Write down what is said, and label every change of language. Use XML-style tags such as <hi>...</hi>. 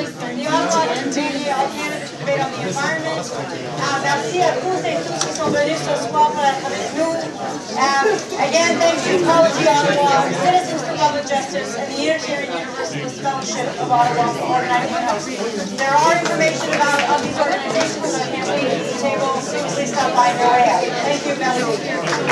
<en>The Ottawa Vanier candidate debate on the environment.</en> <fr>Merci à tous et toutes qui sont venus ce soir pour être avec nous.</fr> <en>Again, thank you, Ottawa, Citizens for Public Justice, and the Unitarian Universalist Fellowship of Ottawa for organizing us. There are information about all these organizations on the table, so please stop by in the area. Thank you, Melanie.</en>